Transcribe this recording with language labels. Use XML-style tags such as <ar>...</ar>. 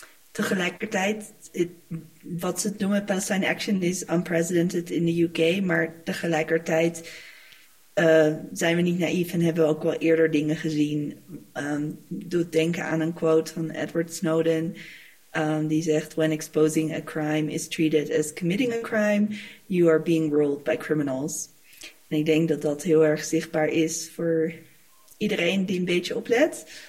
<nl>Tegelijkertijd, wat ze doen met Palestine Action is unprecedented in de UK. Maar tegelijkertijd zijn we niet naïef en hebben we ook wel eerder dingen gezien. Doet denken aan een quote van Edward Snowden. Die zegt,</nl> <en>when exposing a crime is treated as committing a crime, you are being ruled by criminals.</en> <nl>En ik denk dat dat heel erg zichtbaar is voor iedereen die een beetje oplet.</nl>